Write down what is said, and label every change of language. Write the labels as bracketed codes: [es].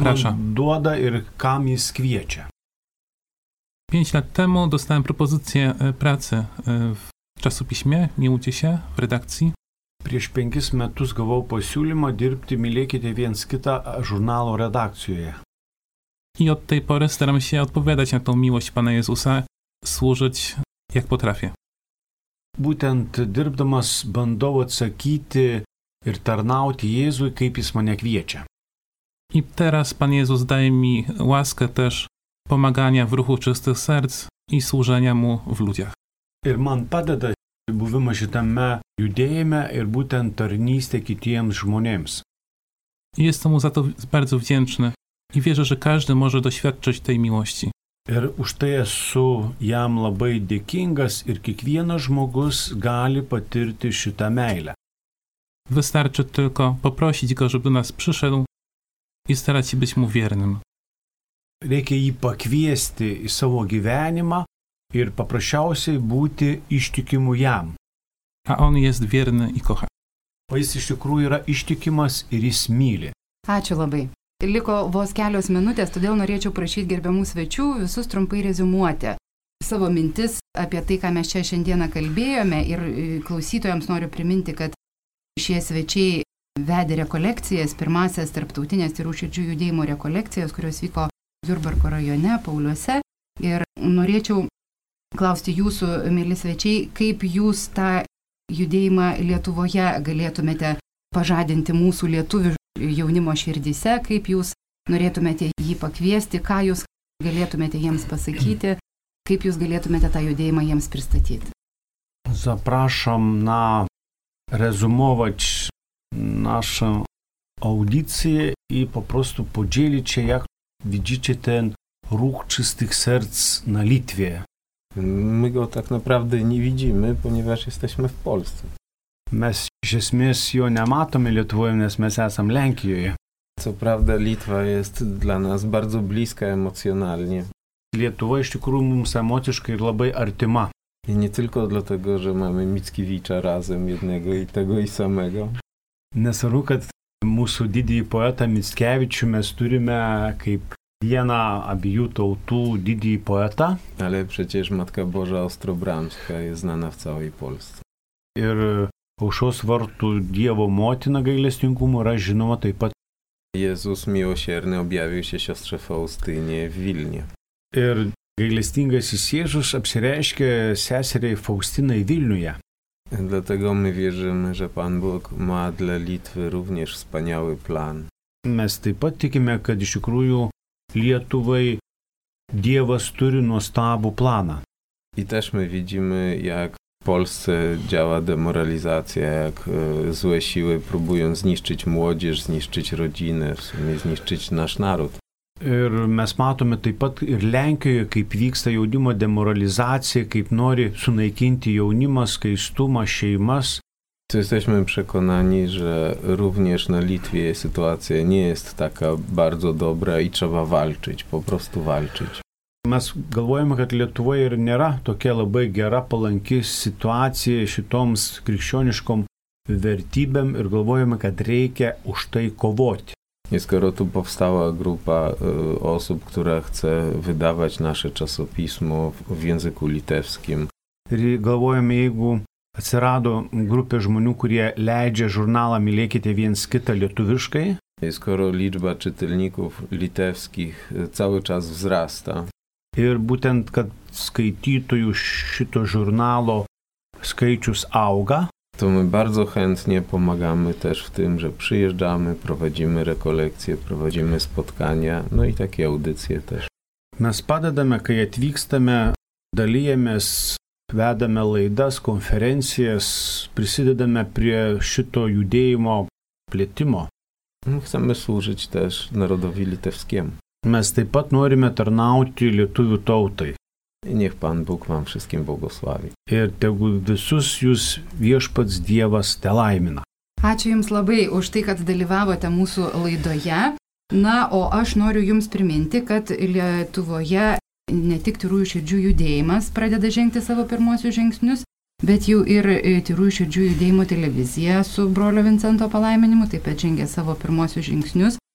[lt] Ką jis man duoda ir kam jis kviečia. [pl] 5 lat temu dostałem propozycję pracy w czasopiśmie, Miłujcie się, w redakcji. [lt] Prieš 5 metus gavau pasiūlymą dirbti Mylėkite viens kitą žurnalo redakcijoje. [pl] I od tej pory staram się odpowiadać na tą miłość Pana Jezusa, służyć jak potrafię. [lt] Būtent dirbdamas bandau atsakyti ir tarnauti Jėzui, kaip jis mane kviečia. [pl] I teraz Pan Jezus daje mi łaskę też pomagania w ruchu czystych serc i służenia Mu w ludziach. [lt] Ir man padeda buvimas šitame judėjime ir būtent tarnystė kitiems žmonėms. [pl] Jestem mu za to bardzo wdzięczny i wierzę, że każdy może doświadczyć tej miłości. [lt] Ir už tai esu jam labai dėkingas ir kiekvienas žmogus gali patirti šitą meilę. [pl] Wystarczy tylko poprosić go, żeby do nas przyszedł i starać się być mu wiernym. [lt] Reikia jį pakviesti į savo gyvenimą ir paprasčiausiai būti ištikimu jam. [pl] A on jest wierny i kocha. [lt] O jis iš tikrųjų yra ištikimas ir jis myli. Ačiū labai. Liko vos kelios minutės, todėl norėčiau prašyti gerbiamų svečių visus trumpai rezumuoti savo mintis apie tai, ką mes čia šiandieną kalbėjome, ir klausytojams noriu priminti, kad šie svečiai vedė rekolekcijas, pirmasias tarptautinės tyrų širdžių judėjimo rekolekcijas, kurios vyko Jurbarko rajone, Pauliuose. Ir norėčiau klausti jūsų, mėly svečiai, kaip jūs tą judėjimą Lietuvoje galėtumėte pažadinti mūsų lietuvių jaunimo širdyse, kaip jūs norėtumėte jį pakviesti, ką jūs galėtumėte jiems pasakyti, kaip jūs galėtumėte tą judėjimą jiems pristatyti. [pl] Zaprašom na rezumovač našą audiciją i paprastu podzielicie, jak widzicie ten ruch czystych serc na Litwie. My go tak naprawdę nie widzimy, ponieważ jesteśmy w Polsce. [lt] Mes iš esmės jo nematome Lietuvoje, nes mes esam Lenkijoje. [pl] Co prawda Litwa jest dla nas bardzo bliska emocjonalnie. [lt] Lietuva iš tikrųjų mums emociškai ir labai artima. [pl] I nie tylko dlatego, że mamy Mickiewicza razem jednego i tego i samego. [lt] Nesvarbu, kad mūsų didįjį poetą Mickiewiczu mes turime kaip vieną abiejų tautų didįjį poetą. [pl] Ale przecież Matka Boża Ostrobramska jest znana w całej Polsce. [lt] Ir Aušos Vartų Dievo Motina gailestingumo yra žinoma taip pat. [pl] Jėzus miłosierny objavił się siostrze Faustynie w Vilnie. [lt] Ir gailestingasis Jėzus apsireiškė seseriai Faustinai Vilniuje. [pl] Dlatego my wierzymy, że Pan Bóg ma dla Litwy również wspaniały plan. [lt] Mes taip pat tikime, kad iš tikrųjų Lietuvai Dievas turi nuostabų planą. [pl] I też my widzimy, jak w Polsce działa demoralizacja, jak złe siły próbują zniszczyć młodzież, zniszczyć rodzinę, w sumie zniszczyć nasz naród. [lt] Ir mes matome taip pat ir Lenkijoje, kaip vyksta jaunimo demoralizacija, kaip nori sunaikinti jaunimą, skaistumą, šeimas. [pl] To jesteśmy przekonani, że również na Litwie sytuacja nie jest taka bardzo dobra i trzeba walczyć, po prostu walczyć. [lt] Mes galvojame, kad Lietuva ir nėra tokia labai gera, palanki situacija šitoms krikščioniškom vertybėm ir galvojame, kad reikia už tai kovoti. [pl] Jest, skoro tu powstała grupa osób, która chce wydawać nasze czasopismo w języku litewskim. [lt] Ir galvojame, jeigu atsirado grupė žmonių, kurie leidžia žurnalą Mylėkite viens kitą lietuviškai. [pl] Jest, skoro liczba czytelników litewskich cały czas wzrasta. [lt] Ir būtent, kad skaitytojų šito žurnalo skaičius auga. [pl] To my bardzo chętnie pomagamy też w tym, że przyjeżdżamy, prowadzimy rekolekcje, prowadzimy spotkania, no i takie audycje też. [lt] Mes padedame, kai atvykstame, dalijamės, vedame laidas, konferencijas, prisidedame prie šito judėjimo plėtimo. [pl] My chcemy służyć też narodowi litewskiemu. [lt] Mes taip pat norime tarnauti lietuvių tautai. [pl] Niech Pan Bóg vam wszystkim błogosławi. [lt] Ir tegu visus jūs viešpats Dievas te laimina. Ačiū Jums labai už tai, kad dalyvavote mūsų laidoje. Na, o aš noriu Jums priminti, kad Lietuvoje ne tik tyrųjų širdžių judėjimas pradeda žengti savo pirmuosius žingsnius, bet jau ir tyrųjų širdžių judėjimo televizija su brolio Vincento palaiminimu taip pat žengia savo pirmuosius žingsnius.